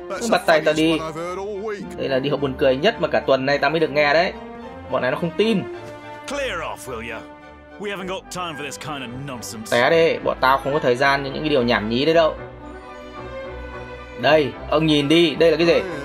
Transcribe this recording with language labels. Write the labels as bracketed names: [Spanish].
[Vietnamese] Bắt tay ta đi. Đây là điều buồn cười nhất mà cả tuần này ta mới được nghe đấy. Bọn này nó không tin. [English] Clear off, will ya? We haven't got time for this kind of nonsense. [Vietnamese] Té đi, bọn tao không có thời gian cho những cái điều nhảm nhí đấy đâu. Đây, ông nhìn đi, đây là cái gì?